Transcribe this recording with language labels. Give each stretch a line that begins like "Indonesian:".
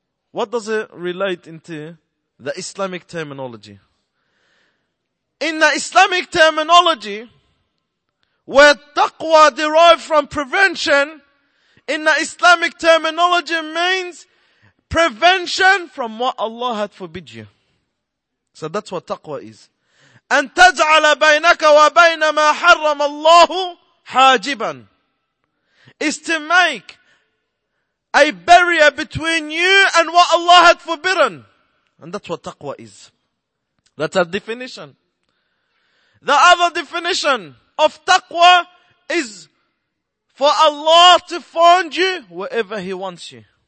English: What does it relate into the Islamic terminology? In the Islamic terminology, where taqwa derived from prevention, in the Islamic terminology means prevention from what Allah had forbid you. So that's what taqwa is.
Arabic: أن تجعل بينك وبين ما حرم الله حاجبا.
English: Is to make a barrier between you and what Allah had forbidden. And that's what taqwa is. That's a definition. The other definition of taqwa is for Allah to find you wherever He wants you.